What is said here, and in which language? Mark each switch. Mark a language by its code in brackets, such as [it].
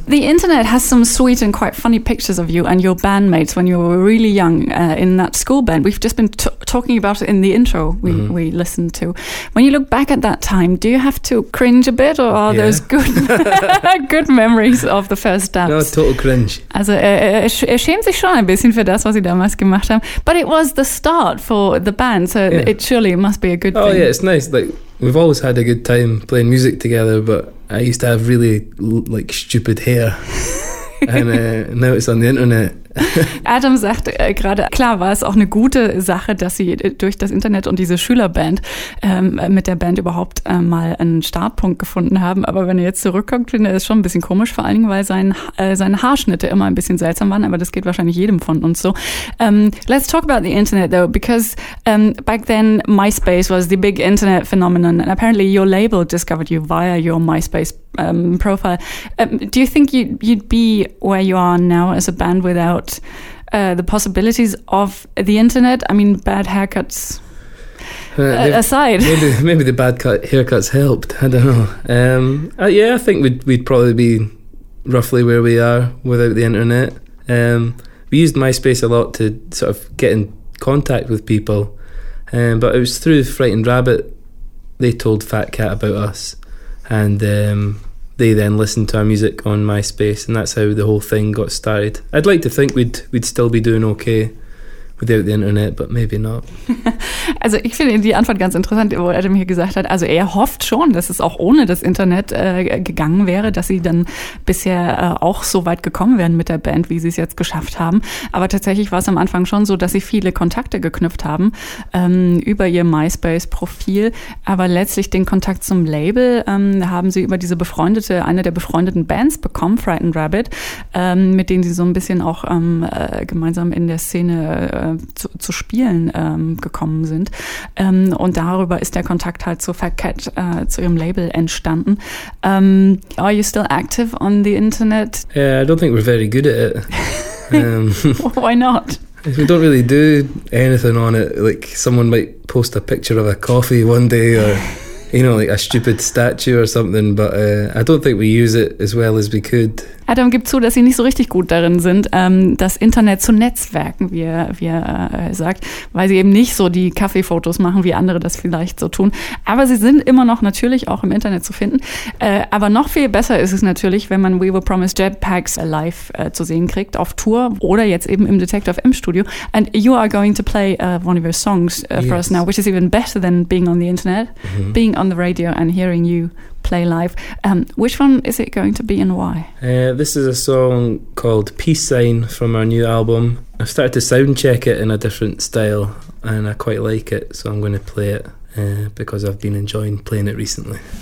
[en] The internet has some sweet and quite funny pictures of you and your bandmates when you were really young in that school band. We've just been talking about it in the intro we listened to. When you look back at that time, do you have to cringe a bit, or are those good good memories of the first dance? No, total cringe. [de] Also, er schämt sich schon ein bisschen für das, was sie damals gemacht haben. [en] But it was the start for the band, so it surely must be a good thing. Oh yeah, it's nice. Like, we've always had a good time playing music together, but I used to have really like stupid hair. And now it's on the internet. [de] Adam sagt gerade, klar war es auch eine gute Sache, dass sie durch das Internet und diese Schülerband mit der Band überhaupt mal einen Startpunkt gefunden haben. Aber wenn er jetzt zurückkommt, finde ich es schon ein bisschen komisch, vor allen Dingen, weil seine Haarschnitte immer ein bisschen seltsam waren. Aber das geht wahrscheinlich jedem von uns so. [en] Let's talk about the internet though, because back then MySpace was the big internet phenomenon. And apparently your label discovered you via your MySpace profile. Do you think you'd be where you are now as a band without the possibilities of the internet? I mean, bad haircuts aside. Maybe the bad haircuts helped. I don't know. I think we'd probably be roughly where we are without the internet. We used MySpace a lot to sort of get in contact with people. But it was through Frightened Rabbit, they told Fat Cat about us. And they then listened to our music on MySpace, and that's how the whole thing got started. I'd like to think we'd still be doing okay without the internet, but maybe not. [de] Also ich finde die Antwort ganz interessant, wo Adam hier gesagt hat, also er hofft schon, dass es auch ohne das Internet gegangen wäre, dass sie dann bisher auch so weit gekommen wären mit der Band, wie sie es jetzt geschafft haben. Aber tatsächlich war es am Anfang schon so, dass sie viele Kontakte geknüpft haben über ihr MySpace-Profil. Aber letztlich den Kontakt zum Label haben sie über diese eine der befreundeten Bands bekommen, Frightened Rabbit, mit denen sie so ein bisschen auch gemeinsam in der Szene zu spielen gekommen sind. Und darüber ist der Kontakt halt zu Fat Cat, zu ihrem Label entstanden. [en] Are you still active on the internet? Yeah, I don't think we're very good at it. Why not? We don't really do anything on it. Like, someone might post a picture of a coffee one day, or, you know, like a stupid statue or something, but I don't think we use it as well as we could. [de] Adam gibt zu, dass sie nicht so richtig gut darin sind, das Internet zu netzwerken, wie er sagt, weil sie eben nicht so die Kaffeefotos machen, wie andere das vielleicht so tun. Aber sie sind immer noch natürlich auch im Internet zu finden. Aber noch viel besser ist es natürlich, wenn man We Were Promised Jetpacks live zu sehen kriegt, auf Tour oder jetzt eben im Detective M Studio. [en] And you are going to play one of your songs for us now, which is even better than being on the internet, being on the radio and hearing you play live. Which one is it going to be and why? This is a song called Peace Sign from our new album. I've started to sound check it in a different style and I quite like it, so I'm going to play it because I've been enjoying playing it recently.